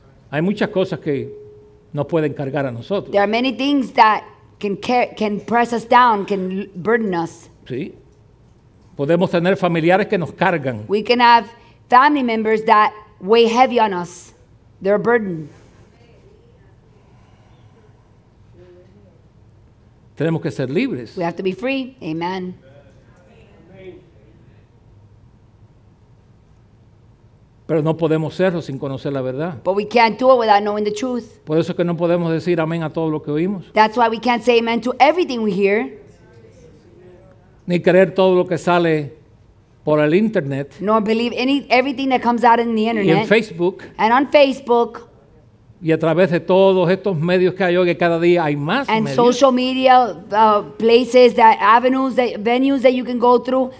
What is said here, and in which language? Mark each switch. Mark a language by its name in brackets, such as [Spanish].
[Spanish] Hay muchas cosas que nos pueden cargar a nosotros. [English] There are many things that can press us down, can burden us. [Spanish] Sí. Podemos tener familiares que nos cargan. [English] We can have family members that weigh heavy on us. They're a burden. [Spanish] Tenemos que ser libres. [English] We have to be free. Amen. [Spanish] Pero no podemos serlo sin conocer la verdad. [English] But we can't do it without knowing the truth. [Spanish] Por eso que no podemos decir amén a todo lo que oímos. [English] That's why we can't say amen to everything we hear. [Spanish] Ni creer todo lo que sale por el internet. [English] Nor believe everything that comes out in the internet. [Spanish] Y en Facebook. [English] And on Facebook. [Spanish] Y a través de todos estos medios que hay hoy, que cada día hay más [English] and [Spanish] medios. [English] Social media, places, that avenues, that venues that you can go through.